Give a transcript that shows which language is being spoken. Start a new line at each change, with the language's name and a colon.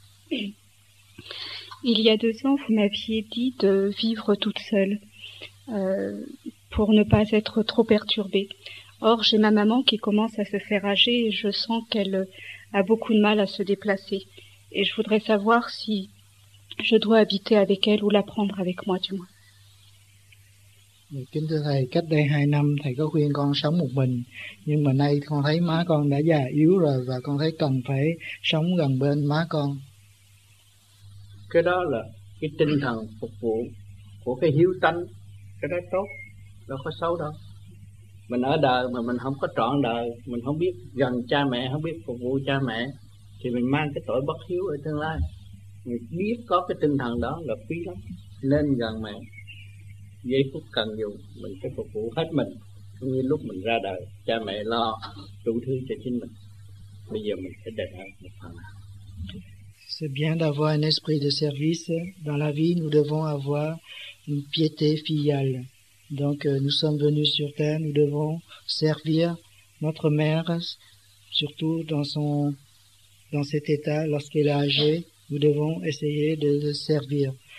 French: Il y a 2 ans, vous m'aviez dit de vivre toute seule pour ne pas être trop perturbée. Or, j'ai ma maman qui commence à se faire âgée et je sens qu'elle a beaucoup de mal à se déplacer. Et je voudrais savoir si je dois habiter avec elle ou la prendre avec moi, du moins.
Vietnamese: Kính thưa Thầy, cách đây 2 năm, Thầy có khuyên con sống một mình. Nhưng mà nay con thấy má con đã già yếu rồi và con thấy cần phải sống gần bên má con. Cái đó là cái tinh thần phục vụ của cái hiếu tánh. Cái đó tốt, đâu có xấu đâu. Mình ở đời mà mình không có trọn đời, mình không biết gần cha mẹ, không biết phục vụ cha mẹ, thì mình mang cái tội bất hiếu ở tương lai. Mình biết có cái tinh thần đó là quý lắm, nên gần mẹ. Giây phút cần dùng, mình phải phục vụ hết mình. Cũng như lúc mình ra đời, cha mẹ lo đủ thứ cho chính mình. Bây giờ mình phải đền ơn một phần nào.
French: C'est bien d'avoir un esprit de service. Dans la vie, nous devons avoir une piété filiale. Donc, nous sommes venus sur terre, nous devons servir notre mère, surtout dans cet état, lorsqu'elle est âgée, nous devons essayer de le servir.